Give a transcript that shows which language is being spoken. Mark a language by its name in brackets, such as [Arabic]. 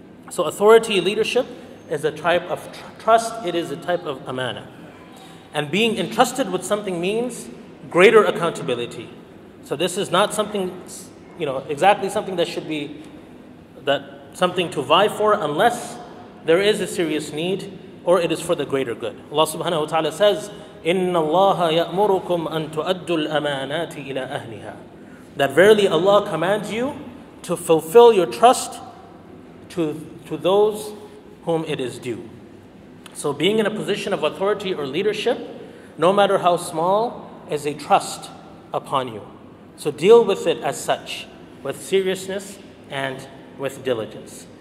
[English] So authority, leadership, is a type of trust, it is a type of amanah. And being entrusted with something means greater accountability. So this is not something, you know, exactly something that should be that something to vie for unless there is a serious need or it is for the greater good. Allah subhanahu wa ta'ala says, [Arabic] إِنَّ اللَّهَ يَأْمُرُكُمْ أَن تُؤَدُّ الْأَمَانَاتِ إِلَىٰ أَهْلِهَا. [English] That verily Allah commands you to fulfill your trust to those whom it is due. So being in a position of authority or leadership, no matter how small, is a trust upon you. So deal with it as such, with seriousness and with diligence.